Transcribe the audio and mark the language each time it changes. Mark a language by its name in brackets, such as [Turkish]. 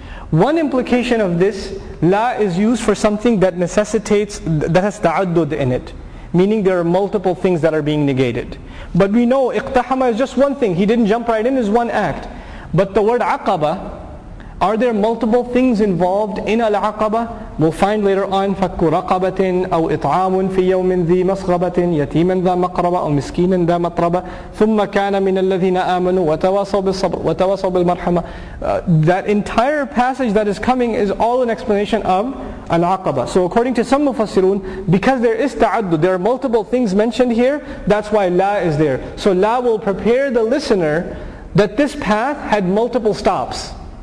[English] One implication of this, la is used for something that necessitates, that has ta'addud in it. Meaning there are multiple things that are being negated. But we know iqtahama is just one thing, he didn't jump right in, is one act. But the word aqaba, are there multiple things involved in al-aqaba? [Arabic] We'll find later on, فَكُّ رَقَبَةٍ أَوْ إِطْعَامٌ فِي يَوْمٍ ذِي مَصْغَبَةٍ يَتِيمًا ذَا مَقْرَبَةٍ أَوْ مِسْكِينًا ذَا مَطْرَبَةٍ ثُمَّ كَانَ مِنَ الَّذِينَ آمَنُوا وَتَوَاصَوْا بِالصَّبْرِ وَتَوَاصَوْا بِالْمَرْحَمَةِ. [English] That entire passage that is coming is all an explanation of al-aqaba. So according to some mufassirun, because there is ta'addud, there are multiple things mentioned here, that's why la is there. So la will prepare the listener that this path had multiple stops.